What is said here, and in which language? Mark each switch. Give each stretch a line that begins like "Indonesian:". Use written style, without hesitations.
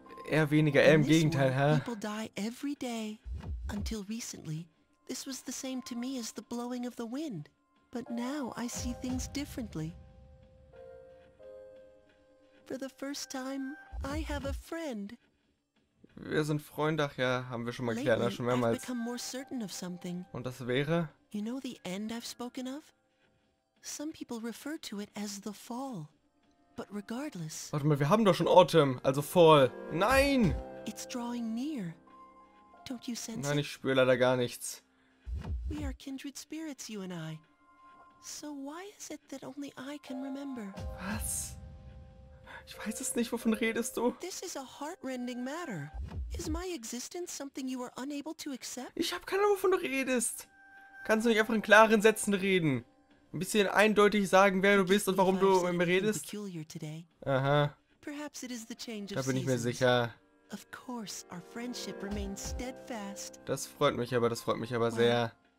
German: Eher weniger, eher im Gegenteil, hä?
English: People die every day. Until recently, this was the same to me as the blowing of the wind. But now I see things differently. For the first time, I have a friend.
German: Wir sind Freunde, ach ja, haben wir schon mal erklärt, schon mehrmals. Und das wäre?
English: You know the end I've spoken of? Some people refer to it as the fall. But regardless.
German: Warte mal, wir haben doch schon Autumn, also Fall. Nein!
English: It's drawing near. Don't you sense?
German: Nein, ich spüre leider gar nichts.
English: We are kindred spirits, you and I. So why is it that only I can remember?
German: Was? Ich weiß es nicht, wovon redest du?
English: This is a heart-rending matter. Is my existence something you are unable to accept?
German: Ich hab keine Ahnung, wovon du redest. Kannst du nicht einfach in klaren Sätzen reden? Ein bisschen eindeutig sagen, wer du bist und warum du mit mir redest? Aha.
English: Perhaps it is the change of seasons.
German: Da bin ich mir sicher.
English: Of course, our friendship remains steadfast.
German: Das freut mich aber sehr.